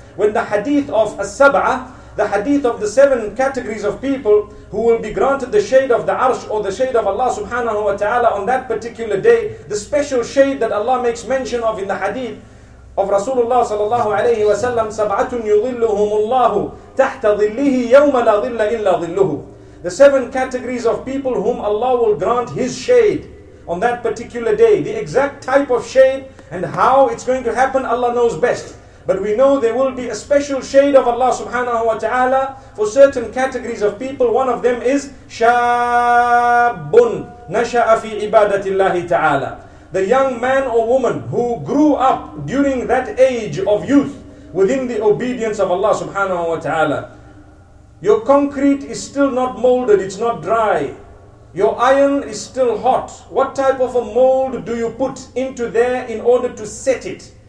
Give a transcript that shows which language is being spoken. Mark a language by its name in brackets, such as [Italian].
[English] When the hadith of As-Sab'ah, the hadith of the seven categories of people who will be granted the shade of the arsh, or the shade of Allah subhanahu wa ta'ala on that particular day, the special shade that Allah makes mention of in the hadith of Rasulullah sallallahu alayhi wa sallam, [Arabic] سَبْعَةٌ يُظِلُّهُمُ اللَّهُ تَحْتَ ظِلِّهِ يَوْمَ لَا ظِلَّ إِلَّا ظِلُّهُ. [English] The seven categories of people whom Allah will grant His shade on that particular day. The exact type of shade and how it's going to happen, Allah knows best. But we know there will be a special shade of Allah subhanahu wa ta'ala for certain categories of people. One of them is [Arabic] شَابٌ نَشَأَ فِي عِبَادَةِ اللَّهِ تَعَالَى. [English] The young man or woman who grew up during that age of youth within the obedience of Allah subhanahu wa ta'ala. Your concrete is still not molded, it's not dry. Your iron is still hot. What type of a mold do you put into there in order to set it?